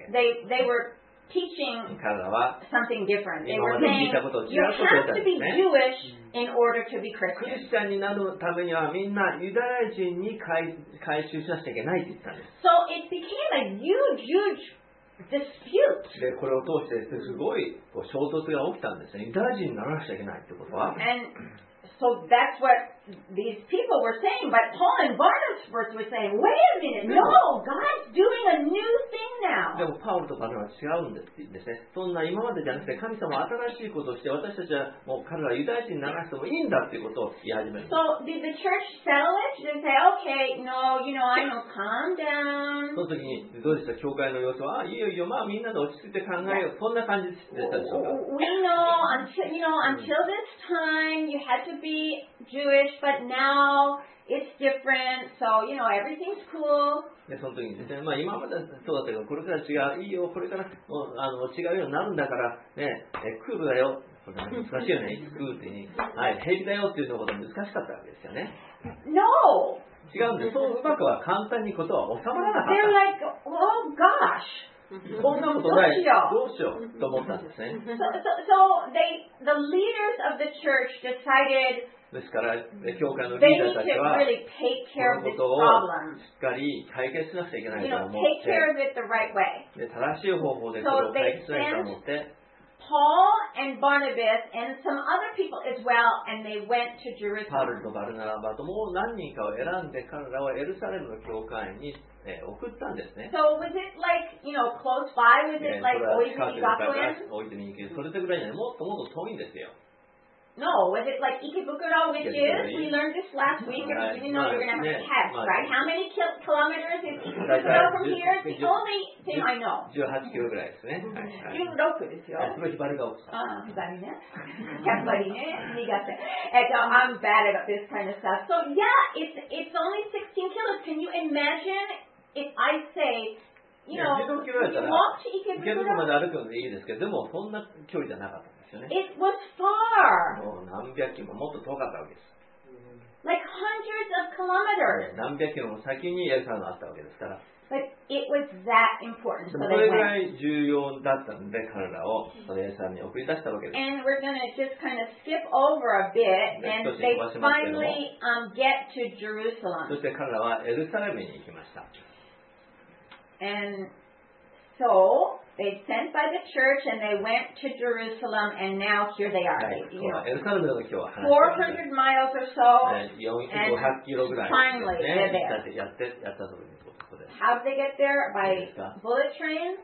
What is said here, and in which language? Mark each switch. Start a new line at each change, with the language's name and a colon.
English: They were teaching something different. They were saying, you have to be Jewish in order to be Christian.
Japanese: クリスチャンになるためにはみんなユダヤ人に改宗しなきゃいけないって言ったんです。
English: So it became a huge, huge dispute.
Japanese: で、これを通してすごい衝突が起きたんですね。ユダヤ人にならなきゃいけないってことは。
English: And so that's what these people were saying. But Paul and Barnabas were saying, wait a minute, no, God's doing a new thing now.
Japanese: でもパウロとバルナバは違うんですね。そんな今までじゃなくて神様は新しいことをして私たちはもう彼らユダヤ人にならなくてもいいんだっていうことを言い始める。
English: So did the church settle it? They say, okay, no, you know, I know, calm down.
Japanese: その時にどうでした教会の様子は、いいよいいよ、まあみんなで落ち着いて考えよう。そんな感じでしたでしょうか。
English: We know, until this time, you had to be Jewish, but now it's different, so, you know, everything's cool.
Japanese: でその時にですね、まあ今までそうだったけど、これから違う、いいよ、これから違うようになるんだから、ね、クールだよ、それ難しいよね、クールって、はい、平気だよっていうのことは難しかったわけですよね。
English: No!
Japanese: 違うんです、そううまくは簡単にことは収まらなかった。
English: They're like, oh gosh!
Japanese: こんなことない、どうしようと思ったんですね。
English: So they, the leaders of the church decided,
Japanese: ですから教会のリーダーたちはこのことをしっかり解決しなくちゃいけないと思って、正しい方法でこれを解決しなきゃいけないと思って、
English: Paul and Barnabas and some other people as well, and they went to Jerusalem.
Japanese: パウロとバルナバともう何人かを選んで彼らはエルサレムの教会に送ったんですね。
English: So was it like, you know, close by? Was it like Oishi Gakuen? Oishi Gakuen.
Japanese: それぐらいじゃない。もっともっと遠いんですよ。
English: No, was it like Ikebukuro, which is, we learned this last week, if you didn't know, you're going to have to test, right? How many kilometers is Ikebukuro from here? It's the only thing I know.
Japanese: 18 kilo ぐらいですね。 16ですよ。すごいひばりが多くて。ひばりね。ひばりね。苦手。
English: I'm bad about this kind of stuff. So yeah, it's only 16 kilos. Can you imagine if I say... You know,
Japanese: いや、自動距離だったら、池袋まで歩くのでいいですけど、でもそんな距離じゃなかったんですよね。
English: It was far.
Japanese: もう何百キロももっと遠かったわけです。
English: Like hundreds of kilometers.
Japanese: 何百キロも先にエルサレムがあったわけですから。
English: But it was that important.
Japanese: でもそれぐらい重要だったんで、彼らをそのエルサレムに送り出したわけです。
English: And we're gonna just kind of skip over a bit, and they finally get to Jerusalem.
Japanese: そして彼らはエルサレムに行きました。
English: And so they sent by the church and they went to Jerusalem and now here they are. You know, 400 miles or so. And finally, they're there. How did they get there? By bullet train?